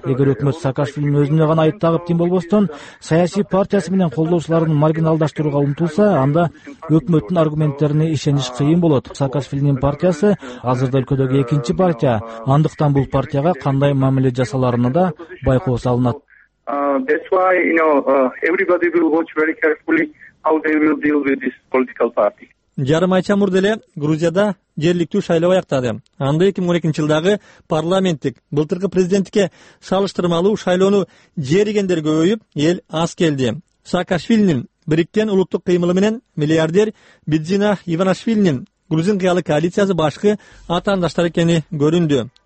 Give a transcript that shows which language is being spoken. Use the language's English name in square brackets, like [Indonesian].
[Kyrgyz] Эгер өкмөт Саакашвилинин өзүнө гана айып тагып тим болбостон, саясий партиясы менен колдоочуларын маргиналдаштырууга умтулса, анда өкмөттүн аргументтерине ишениш кыйын болот. Саакашвилинин партиясы азырда өлкөдөгү экинчи партия, андыктан бул партияга кандай мамиле жасаларына да байкоо салынат. [English] Everybody will watch very carefully how they will deal with this political party. [Kyrgyz] Жарым айча мурда эле Грузияда жергиликтүү шайлоо аяктады. Анда 2012 жылдагы парламенттик, былтыркы президенттикке салыштырмалуу шайлоону жеригендер көбөйүп, эл аз келди. Саакашвилинин Бириккен улуттук кыймылы менен миллиардер Бидзина Иванашвилинин грузин кыялы коалициясы башкы атаандаштар экени көрүндү.